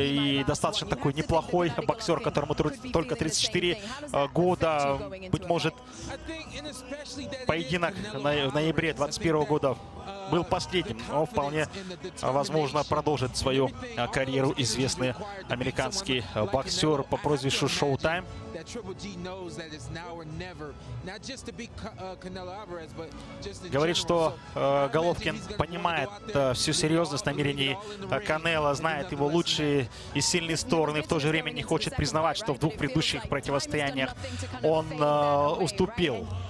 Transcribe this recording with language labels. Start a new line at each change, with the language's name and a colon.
Russian: И достаточно такой неплохой боксер, которому только 34 года. Быть может, поединок в ноябре 2021 года был последним, но вполне возможно продолжит свою карьеру известный американский боксер по прозвищу Шоутайм.
English: That Triple G knows that it's now or never. Not just to be Canelo Alvarez, but just in
Russian: говорит, что Головкин понимает всю серьезность намерений Канело, знает его лучшие и сильные стороны, в то же время не хочет признавать, что в двух предыдущих противостояниях он уступил.